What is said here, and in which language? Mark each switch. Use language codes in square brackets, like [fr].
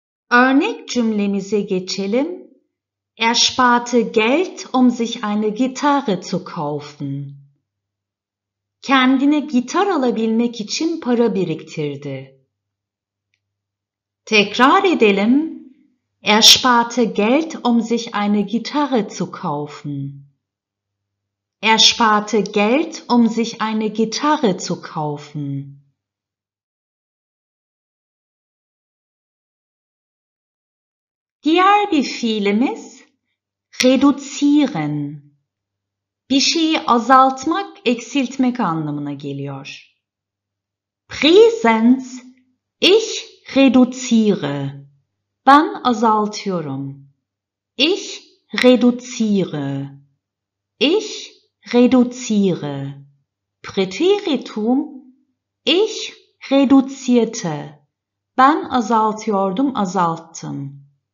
[tr] Örnek cümlemize geçelim. [de] Sparte Geld, sich eine Gitarre zu kaufen. [tr] Kendine gitar alabilmek için para biriktirdi. Tekrar edelim. [de] Sparte Geld, sich eine Gitarre zu kaufen. Sparte Geld, sich eine Gitarre zu kaufen. [tr] Diğer bir fiilimiz reduzieren. Bir şeyi azaltmak, eksiltmek anlamına geliyor. [de] Präsenz, ich reduziere. [tr] Ben azaltıyorum. [de] Ich reduziere. Ich reduziere. Präteritum, ich reduzierte. [tr] Ben azaltıyordum, azalttım.